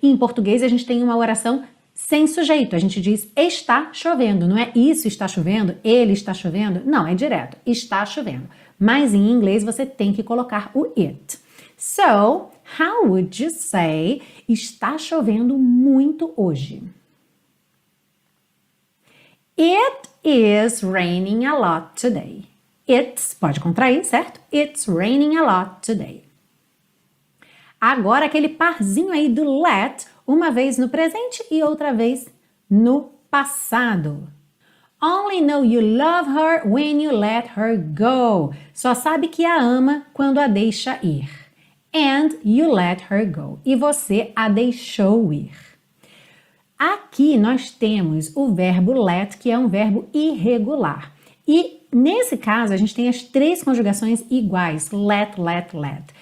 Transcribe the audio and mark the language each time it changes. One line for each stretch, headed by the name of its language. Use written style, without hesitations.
Portuguese: E em português, a gente tem uma oração sem sujeito. A gente diz está chovendo, não é isso está chovendo, ele está chovendo. Não, é direto, está chovendo. Mas em inglês, você tem que colocar o it.
English: So, how would you say
Portuguese: está chovendo muito hoje?
English: It is raining a lot today. It's,
Portuguese: pode contrair, certo?
English: It's raining a lot today.
Portuguese: Agora aquele parzinho aí do let, uma vez no presente e outra vez no passado.
English: Only know you love her when you let her go.
Portuguese: Só sabe que a ama quando a deixa ir.
English: And you let her go.
Portuguese: E você a deixou ir. Aqui nós temos o verbo let, que é um verbo irregular. E nesse caso, a gente tem as três conjugações iguais: let, let, let.